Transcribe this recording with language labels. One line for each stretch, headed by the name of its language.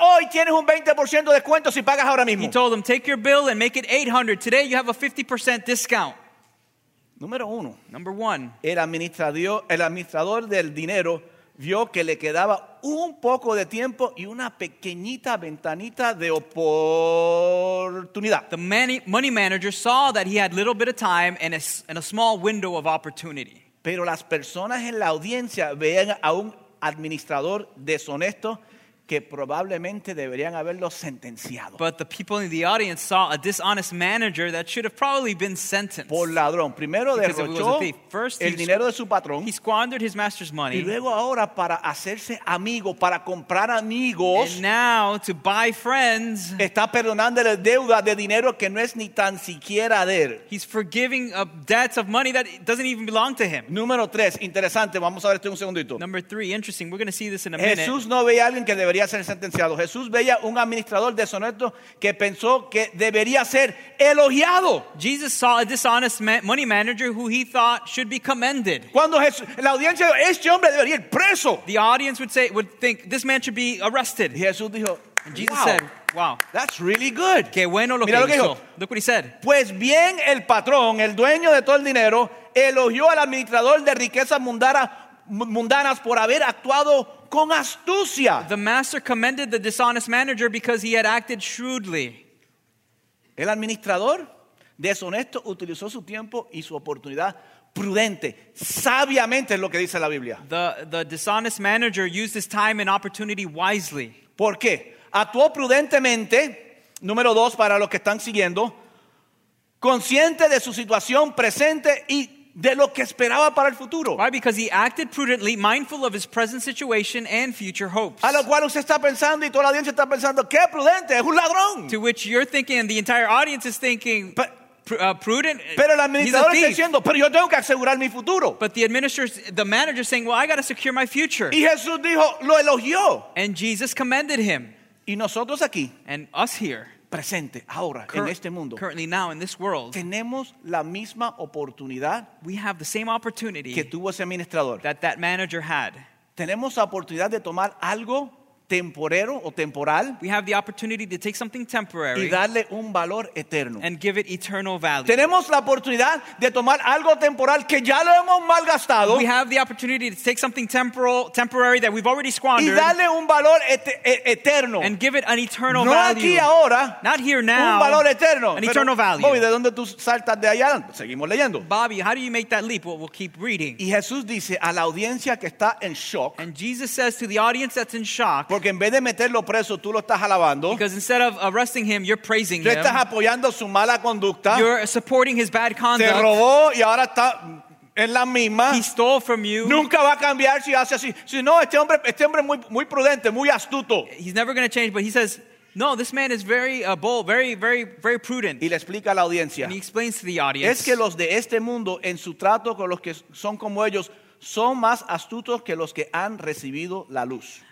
Spanish: Hoy tienes un 20% de descuento si pagas ahora mismo.
English: He told him, take your bill and make it 800. Today you have a 50% discount.
Spanish: Número uno.
English: Number one.
Spanish: El administrador del dinero vio que le quedaba un poco de tiempo y una pequeñita ventanita de oportunidad.
English: The money manager saw that he had little bit of time and a small window of opportunity.
Spanish: Pero las personas en la audiencia veían a un administrador deshonesto que probablemente deberían haberlo sentenciado.
English: But the people in the audience saw a dishonest manager that should have probably been sentenced.
Spanish: Por ladrón. Primero derrochó el dinero de su patrón.
English: He squandered his master's money.
Spanish: Y luego ahora para hacerse amigo, para comprar amigos.
English: And now to buy friends.
Spanish: Está perdonando la deuda de dinero que no es ni tan siquiera de él.
English: He's forgiving debts of money that doesn't even belong to him.
Spanish: Número tres, interesante. Vamos a ver esto en un segundito.
English: Number three, interesting. We're going to see this in a
Spanish: Jesús
English: minute.
Spanish: Jesús no veía a alguien que debería debería ser sentenciado. Jesús veía un administrador deshonesto que pensó que debería ser elogiado.
English: Jesus saw a dishonest money manager who he thought should be commended.
Spanish: Cuando Jesús, la audiencia, este hombre debería ir preso.
English: The audience would say, would think, this man should be arrested.
Spanish: Y Jesús dijo,
English: and Jesus wow. said, wow, that's really good.
Spanish: Qué bueno lo Mira que lo que hizo. Dijo.
English: Look what he said.
Spanish: Pues bien, el patrón, el dueño de todo el dinero, elogió al administrador de riquezas mundanas por haber actuado con astucia.
English: The master commended the dishonest manager because he had acted shrewdly.
Spanish: El administrador deshonesto utilizó su tiempo y su oportunidad prudente, sabiamente, es lo que dice la Biblia.
English: The dishonest manager used his time and opportunity wisely.
Spanish: ¿Por qué? Actuó prudentemente, número dos para los que están siguiendo, consciente de su situación presente y de lo que esperaba para el futuro.
English: Why? Because he acted prudently, mindful of his present situation and future hopes.
Spanish: A lo cual usted está pensando y toda la audiencia está pensando, ¡qué prudente! ¡Es un ladrón!
English: To which you're thinking and the entire audience is thinking, prudent,
Spanish: pero el administrador está diciendo, pero yo tengo que asegurar mi futuro.
English: But the manager is saying, well, I got to secure my future.
Spanish: Y Jesús dijo, lo elogió.
English: And Jesus commended him.
Spanish: Y nosotros aquí,
English: and us here,
Spanish: presente, ahora, en este mundo,
English: currently now in this world,
Spanish: tenemos la misma oportunidad,
English: we have the same opportunity
Spanish: que tuvo ese administrador,
English: that manager had.
Spanish: Tenemos la oportunidad de tomar algo temporero o temporal,
English: we have the opportunity to take something temporary
Spanish: y darle un valor eterno,
English: and give it eternal value.
Spanish: Tenemos la oportunidad de tomar algo temporal que ya lo hemos malgastado,
English: we have the opportunity to take something temporary that we've already squandered
Spanish: y darle un valor eterno,
English: and give it an eternal
Spanish: no
English: value.
Spanish: Aquí ahora,
English: not here now,
Spanish: un valor eterno,
English: an eternal value.
Spanish: Bobby, ¿de dónde tú saltas de allá? Seguimos leyendo.
English: Bobby, how do you make that leap? Well, we'll keep reading.
Spanish: Y Jesús dice a la audiencia que está en shock,
English: and Jesus says to the audience that's in shock,
Spanish: porque en vez de meterlo preso, tú lo estás alabando.
English: Because instead of arresting him, you're praising him.
Spanish: Tú estás apoyando su mala conducta.
English: You're supporting his bad conduct.
Spanish: Te robó y ahora está en la misma.
English: He stole from you.
Spanish: Nunca va a cambiar si hace así. Si no, este hombre es muy, muy prudente, muy astuto.
English: He's never going to change, but he says, no, this man is very bold, very, very, very prudent.
Spanish: Y le explica a la audiencia.
English: And he explains to the audience.
Spanish: Es que los de este mundo, en su trato con los que son como ellos, son más astutos que los que han recibido la luz.